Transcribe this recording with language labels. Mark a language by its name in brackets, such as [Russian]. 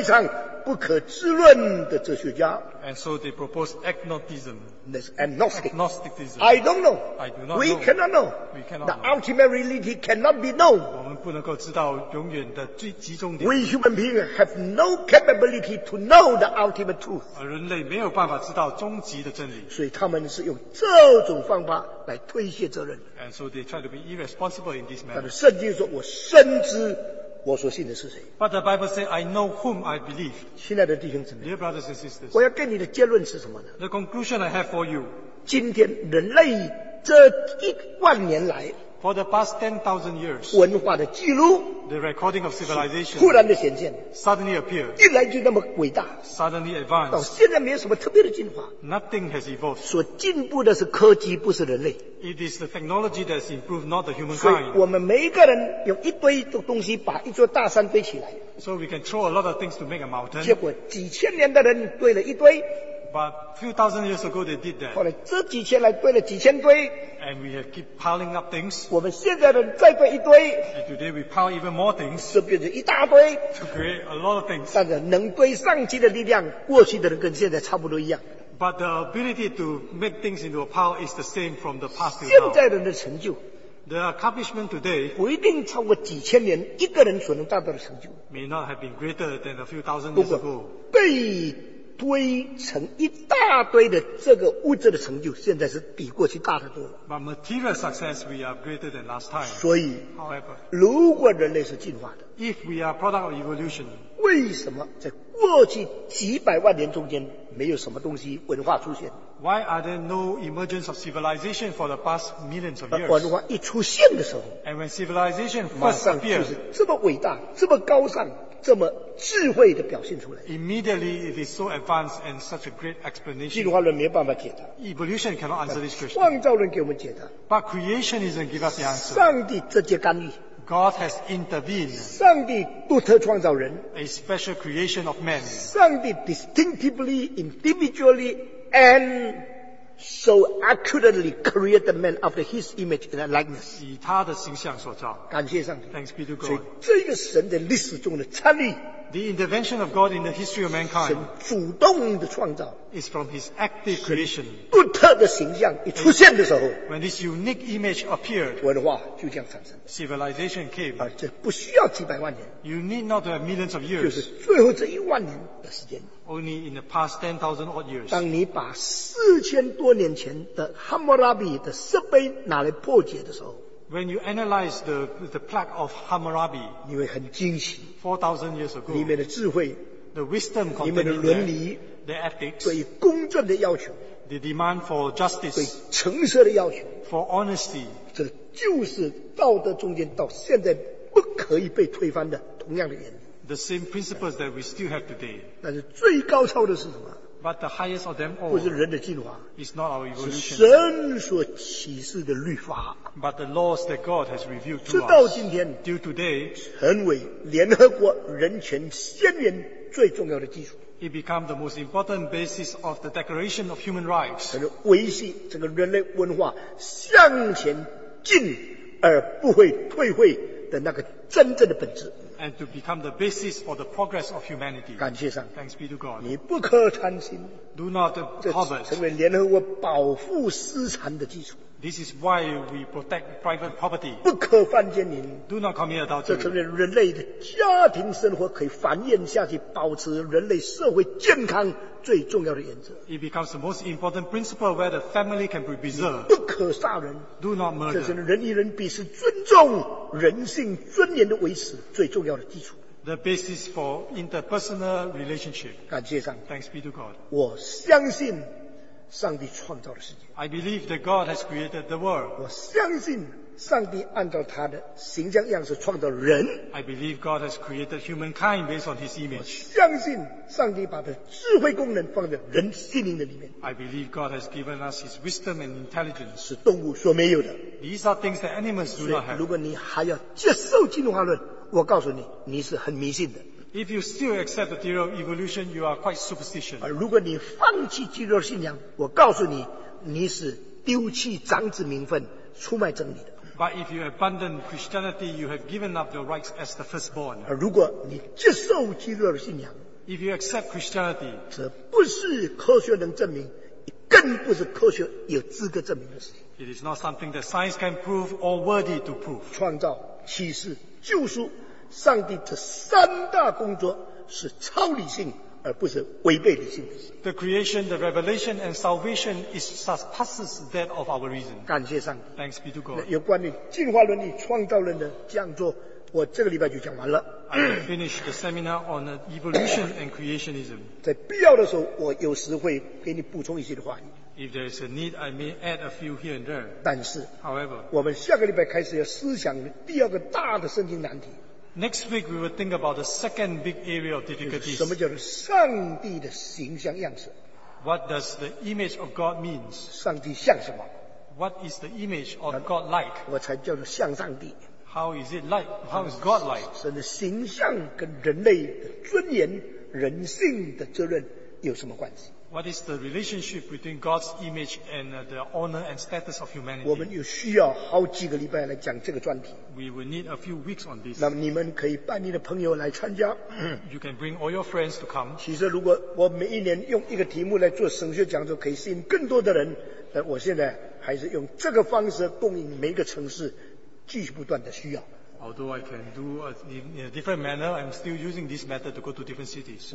[Chinese] 这两个人就是在历史中间第一个提倡不可知论的哲学家。 [English] And so they propose agnosticism. That's agnostic. Agnosticism. I don't know. I do not we know. We cannot know. We cannot the know. The ultimate reality cannot be known. [Chinese] 我们不能够知道永远的最集中点。 [English] We human beings have no capability to know the ultimate truth. [Chinese] 人类没有办法知道终极的真理。所以他们是用这种方法来推卸责任。 [English] And so they try to be irresponsible in this manner. [Chinese] 但是圣经说, 我深知我所信的是谁。 [English] But the Bible says, I know whom I believe. [Chinese] 亲爱的弟兄姊妹 [English] ，Dear brothers and sisters, [Chinese] 我要给你的结论是什么呢 [English] ？The conclusion I have for you. [Chinese] 今天人类这一万年来 [English] ，For the past 10,000 years, [Chinese] 文化的记录 [English] ，The recording of civilization, [Chinese] 突然的显现 [English] ，Suddenly appear, [Chinese] 一来就那么伟大 [English] ，Suddenly advanced, [Chinese] 到现在没有什么特别的进化 [English] ，Nothing has evolved. [Chinese] 所进步的是科技，不是人类。 [English] It is the technology that's improved, not the humankind. [Chinese] 所以我们每一个人有一堆的东西把一座大山堆起来。 [English] So we can throw a lot of things to make a mountain. [Chinese] 结果几千年的人堆了一堆。 [English] But few thousand years ago they did that. [Chinese] 后来这几千来堆了几千堆。 [English] And we have keep piling up things. [Chinese] 我们现在人再堆一堆。 [English] And today we pile even more things. [Chinese] 就变成一大堆。 [English] To create a lot of things. [Chinese] 但是能堆上去的力量，过去的人跟现在差不多一样。 [English] But the ability to make things into a pile is the same from the past to now. [Chinese] 现在人的成就 [English] the accomplishment today [Chinese] 不一定超过几千年一个人所能达到的成就 [English] may not have been greater than a few thousand years ago. [Chinese] 被堆成一大堆的这个物质的成就现在是比过去大得多 [English] But material success we are greater than last time. [Chinese] 所以 [English] However, [Chinese] 如果人类是进化的 [English] if we are product of evolution, [Chinese] 为什么在过去几百万年中间没有什么东西文化出现 [English] Why are there no emergence of civilization for the past millions of years? [Chinese] 文化一出现的时候 [English] And when civilization first appeared [Chinese] 这么伟大这么高尚这么智慧的表现出来 [English] Immediately it is so advanced and such a great explanation [Chinese] 进化论没办法解答 [English] Evolution cannot answer this question [Chinese] 创造论给我们解答 [English] But creationism give us the answer [Chinese] 上帝直接干预 [English] God has intervened. [Chinese] 上帝独特创造人 [English] A special creation of man. [Chinese] 上帝 [English] distinctively, individually, and so accurately created man after his image and likeness. [Chinese] 以他的形象所造。感谢上帝。 [English] Thanks be to God. [Chinese] 所以这个神在历史中的参与。 [English] The intervention of God in the history of mankind [Chinese] 神主动的创造 [English] is from his active creation. [Chinese] 独特的形象一出现的时候 [English] when this unique image appeared, [Chinese] 文化就这样产生 [English] civilization came. [Chinese] 而这不需要几百万年 [English] you need not to have millions of years. [Chinese] 就是最后这一万年的时间 [English] only in the past 10,000 odd years. [Chinese] 当你把四千多年前的 Hammurabi 的石碑拿来破解的时候 [English] When you analyze the plaque of Hammurabi, [Chinese] 你会很惊奇 [English] 4,000 years ago, [Chinese] 里面的智慧 [English] the wisdom contained [Chinese] 里面的伦理 [English] the ethics, [Chinese] 对公正的要求 [English] the demand for justice, [Chinese] 对诚实的要求 [English] for honesty, [Chinese] 这就是道德中间到现在不可以被推翻的同样的原理 [English] the same principles that we still have today. [Chinese] 但是最高超的是什么 [English] but the highest of them all, [Chinese] 不是人的进化 [English] is not our evolution, [Chinese] 是神所启示的律法 [English] But the laws that God has revealed to [Chinese] 直到今天 [English] us, till today, [Chinese] 成为联合国人权宣言最重要的基础。 [English] It became the most important basis of the Declaration of Human Rights. [Chinese] 它是维系整个人类文化向前进而不会退位的那个真正的本质。 [English] And to become the basis for the progress of humanity. [Chinese] 感谢上帝。 [English] Thanks be to God. [Chinese] 你不可贪心。 [English] Do not covet. [Chinese] 成为联合国保护私产的基础。 [English] This is why we protect private property. [Chinese] 不可犯奸淫。 [English] Do not commit adultery. [Chinese] 这成为人类的家庭生活可以繁衍下去，保持人类社会健康最重要的原则。 [English] It becomes the most important principle where the family can be preserved. [Chinese] 不可杀人。 [English] Do not murder. [Chinese] 这成为人与人彼此尊重、人性尊严的维持最重要的基础。 [English] The basis for interpersonal relationship. [Chinese] 感谢上帝。 [English] Thanks be to God. [Chinese] 我相信。上帝创造的世界。 [English] I believe that God has created the world. [Chinese] 我相信上帝按照他的形象样式创造人。 [English] I believe God has created humankind based on his image. [Chinese] 我相信上帝把他的智慧功能放在人心灵的里面。 [English] I believe God has given us his wisdom and intelligence. [Chinese] 是动物所没有的。 [English] These are things that animals do not have. [Chinese] 如果你还要接受进化论，我告诉你，你是很迷信的。 [English] If you still accept the theory of evolution, you are quite superstitious. [Chinese] 而如果你放弃基督信仰，我告诉你，你是丢弃长子名分，出卖真理的。 [English] But if you abandon Christianity, you have given up your rights as the firstborn. [Chinese] 而如果你接受基督信仰 [English] ，If you accept Christianity, [Chinese] 这不是科学能证明，更不是科学有资格证明的事。 [English] It is not something that science can prove or worthy to prove. [Chinese] 创造、启示、救赎。上帝这三大工作是超理性而不是违背理性的事。 [English] The creation, the revelation and salvation is surpasses that of our reason. [Chinese] 感谢上帝。 [English] Thanks be to God. [Chinese] 有关于进化论与创造论的讲座我这个礼拜就讲完了。 [English] I finished the seminar on evolution and creationism. [Chinese] 在必要的时候，我有时会给你补充一些的话语。 [English] If there is a need, I may add a few here and there. [Chinese] 但是 [English] ，However， [Chinese] 我们下个礼拜开始要思想第二个大的圣经难题。 [English] Next week we will think about the second big area of difficulties. [Chinese] 什么叫做上帝的形象样式 [English] ？What does the image of God means? [Chinese] 上帝像什么 [English] ？What is the image of God like? [Chinese] 我才叫做像上帝。 [English] How is it like? How is God like? [Chinese] 神的形象跟人类的尊严、人性的责任有什么关系 [English] ？What is the relationship between God's image and the honor and status of humanity? [Chinese] 我们有需要好几个礼拜来讲这个专题。 [English] We will need a few weeks on this. [Chinese] 那么你们可以带你的朋友来参加。 [English] You can bring all your friends to come. [Chinese] 其实如果我每一年用一个题目来做神学讲座，可以吸引更多的人。但我现在还是用这个方式供应每一个城市。继续不断的需要。 [English] Although I can do in a different manner, I'm still using this method to go to different cities.